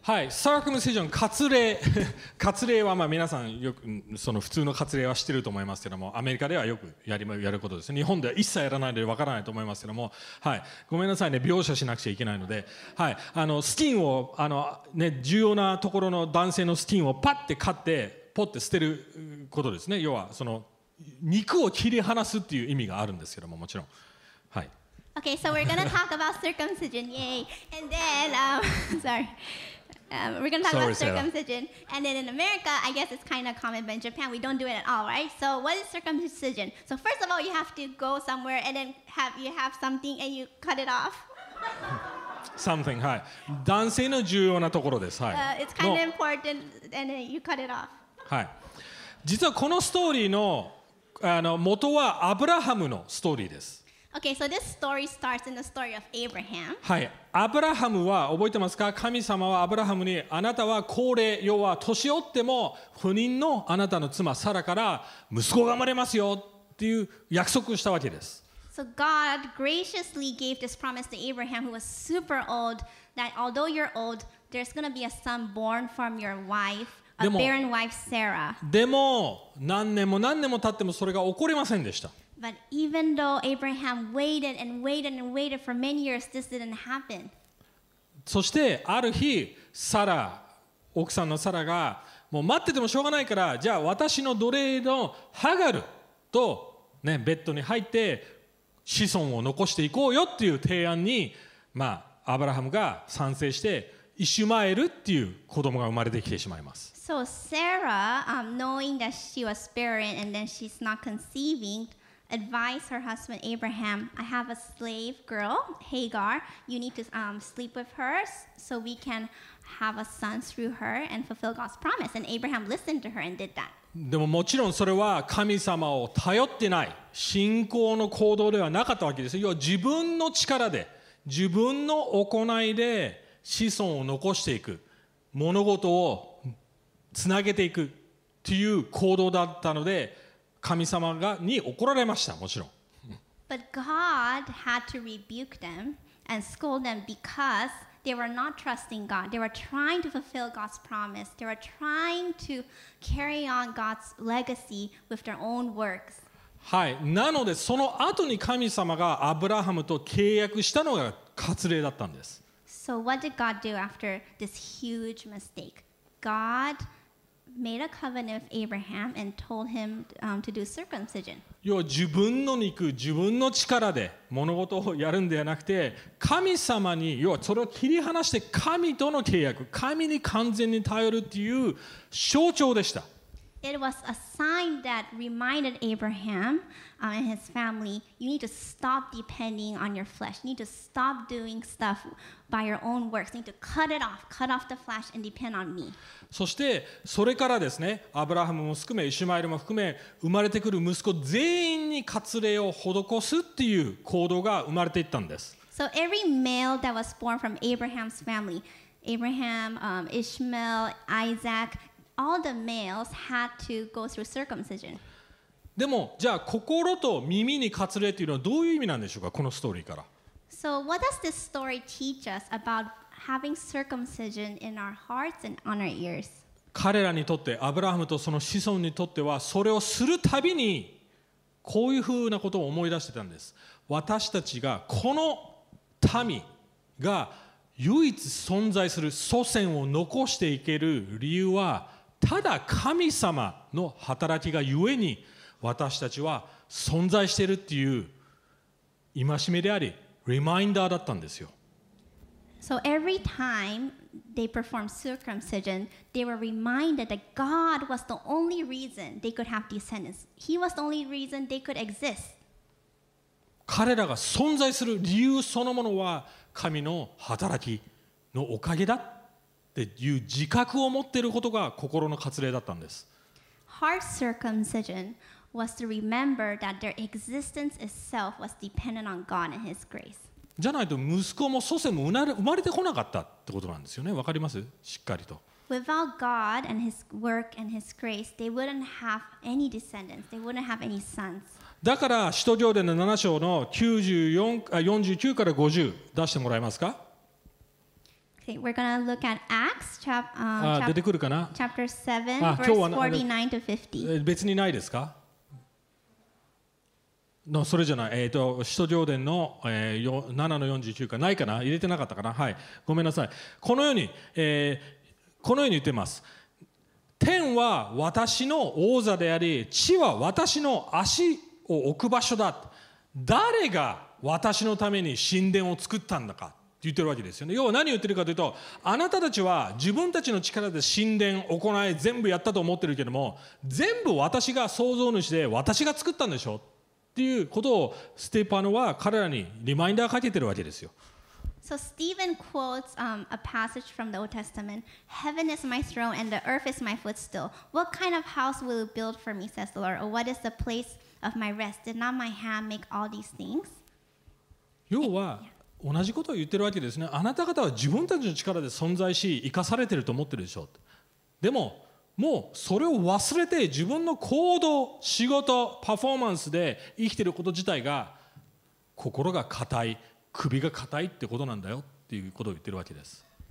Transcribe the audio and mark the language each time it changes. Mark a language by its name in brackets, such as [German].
[Japanese] はい、サークムセジョン、割礼。割礼はまあ皆さんよくその普通の割礼は知ってると思いますけども、アメリカではよくやることです。日本では一切やらないのでわからないと思いますけども、はい、ごめんなさいね、描写しなくちゃいけないので、はい、あのスキンをあの、ね、重要なところの男性のスキンをパッて買って、ポッて捨てることですね。要はその肉を切り離すっていう意味があるんですけども、もちろん。はい。 [English] Okay, so we're going to talk about circumcision, yay. And then, we're going to talk about circumcision. And then in America, I guess it's kind of common, but in Japan, we don't do it at all, right? So what is circumcision? So first of all, you have to go somewhere and then you have something and you cut it off. Something, hi. [Japanese] 男性の重要なところです。はい。 [English] It's kind of important and then you cut it off. [Japanese] はい。実はこのストーリーの、あの、元はアブラハムのストーリーです。 [English] Okay, so this story starts in the story of Abraham. [Japanese] はい、アブラハムは覚えてますか？神様はアブラハムに、あなたは高齢、要は年老っても不妊のあなたの妻サラから息子が生まれますよっていう約束をしたわけです。 [English] So God graciously gave this promise to Abraham, who was super old, that although you're old, there's going to be a son born from your wife, a barren wife, Sarah. [Japanese] でも何年も何年も経ってもそれが起こりませんでした。 [English] But even though Abraham waited and waited and waited for many years, this didn't happen. [Japanese] そしてある日、サラ、奥さんのサラが、もう待っててもしょうがないから、じゃあ私の奴隷のハガルと、ね、ベッドに入って子孫を残していこうよっていう提案に、まあ、アブラハムが賛成して、イシュマエルっていう子供が生まれてきてしまいます。 [English] So Sarah, knowing that she was barren and then she's not conceiving,advise her husband Abraham, I have a slave girl, Hagar. You need to sleep with her so we can have a son through her and fulfill God's promise. And Abraham listened to her and did that. [Japanese] でももちろんそれは神様を頼ってない信仰の行動ではなかったわけですよ。要は自分の力で、自分の行いで子孫を残していく、物事をつなげていくという行動だったので、神様がに怒られました、もちろん。 [English] But God had to rebuke them and scold them because they were not trusting God. They were trying to fulfill God's promise. They were trying to carry on God's legacy with their own works. [Japanese] はい。なので、その後に神様がアブラハムと契約したのが割礼だったんです。 [English] So what did God do after this huge mistake? God made a covenant with Abraham and told him to do circumcision. [Japanese] 要は自分の肉、自分の力で物事をやるんではなくて、神様に、要はそれを切り離して神との契約、神に完全に頼るっていう象徴でした。 [English] It was a sign that reminded Abraham and his family, you need to stop depending on your flesh. You need to stop doing stuff by your own works. You need to cut it off. Cut off the flesh and depend on me. [Japanese] そしてそれからですね、アブラハムも含め、イシュマエルも含め、生まれてくる息子全員に割礼を施すっていう行動が生まれていったんです。 [English] So every male that was born from Abraham's family, Abraham, Ishmael, Isaac,All the males had to go through circumcision. [Japanese] でも、じゃあ心と耳に割礼というのはどういう意味なんでしょうか、このストーリーから。 [English] So what does this story teach us about having circumcision in our hearts and on our ears? [Japanese] 彼らにとって、アブラハムとその子孫にとっては、それをするたびにこういうふうなことを思い出してたんです。私たちが、この民が唯一存在する祖先を残していける理由は、ただ神様の働きがゆえに私たちは存在しているっていう戒めであり、リマインダーだったんですよ。 [English] So every time they performed circumcision, they were reminded that God was the only reason they could have descendants. He was the only reason they could exist. [Japanese] 彼らが存在する理由そのものは神の働きのおかげだっていう自覚を持っていることが心の割礼だったんです。 [English] Heart circumcision was to remember that their existence itself was dependent on God and His grace. [Japanese] じゃないと息子も祖先も生まれてこなかったってことなんですよね。わかります？しっかりと。 [English] Without God and His work and His grace, they wouldn't have any descendants. They wouldn't have any sons. [Japanese] だから使徒行伝の7章の49から50出してもらえますか？ [English] Okay, we're gonna look at Acts chapter 7, verse 49 to 50. [Japanese] 別にないですか？のそれじゃない、使徒行伝の、7の49かないかな、入れてなかったかな、はい、ごめんなさい。このように、このように言ってます。天は私の王座であり、地は私の足を置く場所だ。誰が私のために神殿を作ったんだかって言ってるわけですよね。要は何言ってるかというと、あなたたちは自分たちの力で神殿行い全部やったと思ってるけども、全部私が創造主で私が作ったんでしょっていうことをステパノは彼らにリマインダーかけてるわけですよ。 [English] So Stephen quotes a passage from the Old Testament. Heaven is my throne and the earth is my footstool. What kind of house will you build for me, says the Lord? Or what is the place of my rest? Did not my hand make all these things? [Japanese] 要は同じことを言ってるわけですね。あなた方は自分たちの力で存在し生かされてると思ってるでしょう。でももうそれを忘れて自分の行動、仕事、パフォーマンスで生きてること自体が心が硬い、首が硬いってことなんだよっていうことを言ってるわけです。